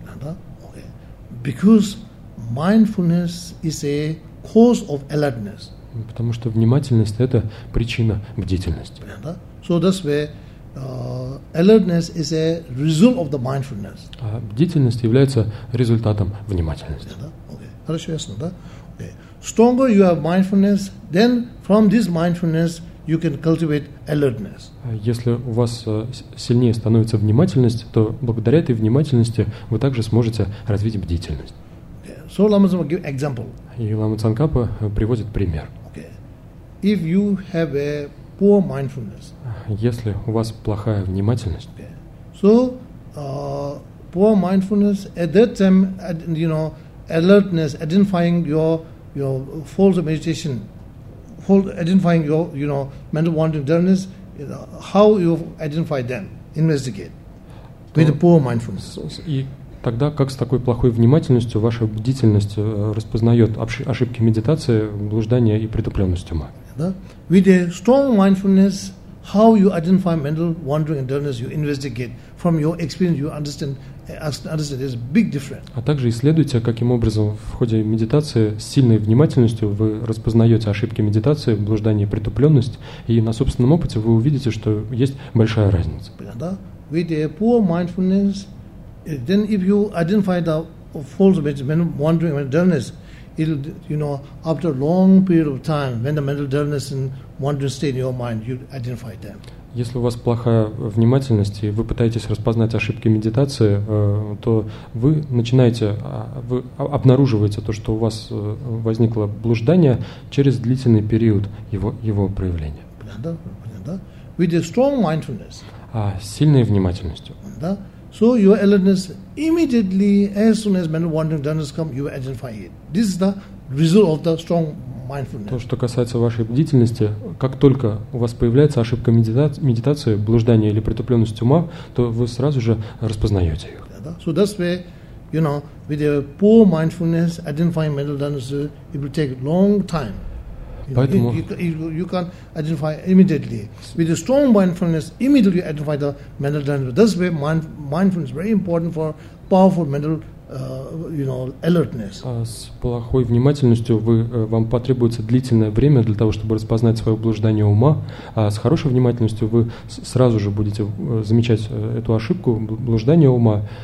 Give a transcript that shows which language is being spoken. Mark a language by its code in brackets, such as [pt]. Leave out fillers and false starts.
[en] Да? Okay. Because mindfulness is a cause of alertness. [ru] Потому что внимательность это причина бдительности. [en] Да? So that's where. Alertness is a result of the mindfulness. [ru] Бдительность является результатом внимательности. Yeah, да? Okay. Хорошо, ясно, да? Okay. [en] Stronger you have mindfulness, then from this mindfulness you can cultivate alertness. [ru] Если у вас сильнее становится внимательность, то благодаря этой внимательности вы также сможете развить бдительность. [en] Okay. So Lama Tsongkhapa give example. [ru] И Лама Цанкапа приводит пример. [en] Okay. If you have a poor mindfulness. [ru] Если у вас плохая внимательность. [en] Okay. So, poor mindfulness at that time, you know, alertness, identifying your faults of meditation, identifying your, you know, mental wandering, dullness, you know, how you identify them, investigate with the poor mindfulness. [ru] И Тогда как с такой плохой внимательностью ваша бдительность распознает ошибки медитации, блуждания и притупленность ума? [en] With a strong mindfulness, how you identify mental wandering and dullness, you investigate. From your experience, you understand there's a big difference. [ru] А также исследуйте, каким образом в ходе медитации с сильной внимательностью вы распознаете ошибки медитации, блуждание и притупленность, и на собственном опыте вы увидите, что есть большая разница. [en] With a poor mindfulness, then if you identify the faults of mental wandering and dullness, after a long period of time, when the mental dullness and wandering stay in your mind, you identify them. [ru] Если у вас плохая внимательность, и вы пытаетесь распознать ошибки медитации, то вы начинаете, вы обнаруживаете то, что у вас возникло блуждание через длительный период его проявления. [en] Понятно? With a strong mindfulness. [ru] А сильной внимательностью. Да? [en] So your alertness immediately, as soon as mental wandering dullness come, you identify it. This is the result of the strong mindfulness. [ru] То, что касается вашей бдительности, как только у вас появляется ошибка медитации, блуждание или притупленность ума, то вы сразу же распознаете их. Да? [en] So that's where, with a poor mindfulness, identifying mental dullness, it will take long time. [ru] Поэтому [en] you can identify immediately. With a strong mindfulness, immediately you identify the mental dullness. That's where mindfulness is very important for powerful mental alertness. [ru] С плохой внимательностью вам потребуется длительное время для того, чтобы распознать свое блуждание ума. А с хорошей внимательностью вы сразу же будете замечать эту ошибку, блуждание ума.